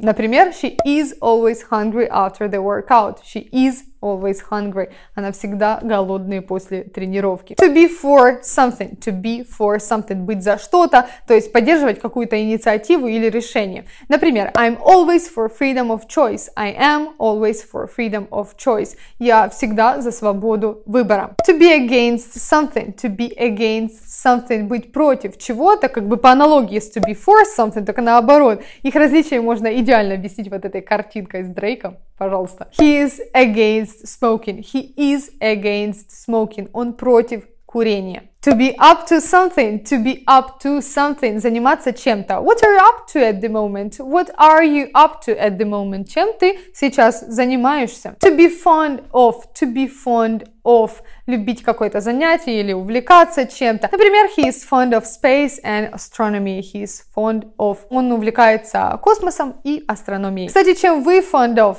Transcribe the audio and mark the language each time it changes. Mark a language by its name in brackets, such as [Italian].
[Russian] Например, [English] she is always hungry after the workout. She is always hungry. [Russian] Она всегда голодная после тренировки. [English] To be for something. To be for something. [Russian] Быть за что-то, то есть поддерживать какую-то инициативу или решение. [English] Например, I'm always for freedom of choice. I am always for freedom of choice. [Russian] Я всегда за свободу выбора. [English] To be against something. To be against something. [Russian] Быть против чего-то, как бы по аналогии с [English] to be for something, [Russian] только наоборот. Их различия можно идеально объяснить вот этой картинкой с Дрейком. Пожалуйста. [English] He is against smoking. He is against smoking. [Russian] Он против курения. [English] To be up to something. To be up to something. [Russian] Заниматься чем-то. [English] What are you up to at the moment? What are you up to at the moment? [Russian] Чем ты сейчас занимаешься? [English] To be fond of. To be fond of. [Russian] Любить какое-то занятие или увлекаться чем-то. Например, [English] he is fond of space and astronomy. He is fond of. [Russian] Он увлекается космосом и астрономией. Кстати, чем вы [English] fond of?